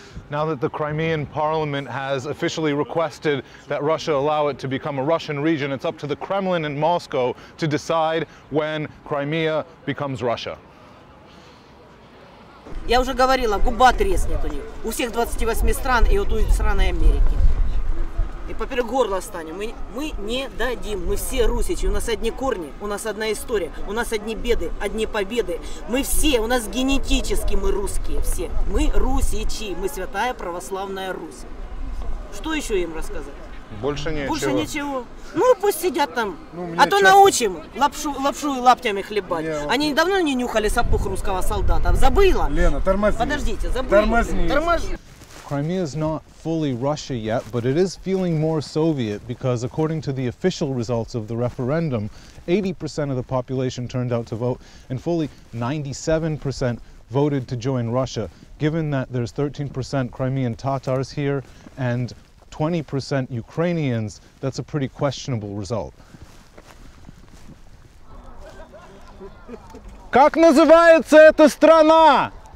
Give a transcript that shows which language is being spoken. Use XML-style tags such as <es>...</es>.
<en>Now that the Crimean parliament has officially requested that Russia allow it to become a Russian region, it's up to the Kremlin and Moscow to decide when Crimea becomes Russia.</en> <ru>Я уже говорила, губа треснет у них. У всех 28 стран и вот у страны Америки. И поперек горло станем. Мы не дадим. Мы все русичи. У нас одни корни, у нас одна история, у нас одни беды, одни победы. Мы все, у нас генетически мы русские все. Мы русичи. Мы святая православная Русь. Что еще им рассказать? Больше ничего. Больше ничего. Ну пусть сидят там. Ну, а часто... то научим лапшу и лаптями хлебать. Нет, они нет. Давно не нюхали сапог русского солдата. Забыла? Лена, тормозни. Подождите, забыла. Тормозни.</ru> <en>Crimea is not fully Russia yet, but it is feeling more Soviet because according to the official results of the referendum, 80% of the population turned out to vote and fully 97% voted to join Russia. Given that there's 13% Crimean Tatars here and 20% Ukrainians, that's a pretty questionable result.</en> <ru>Как называется эта страна?</ru>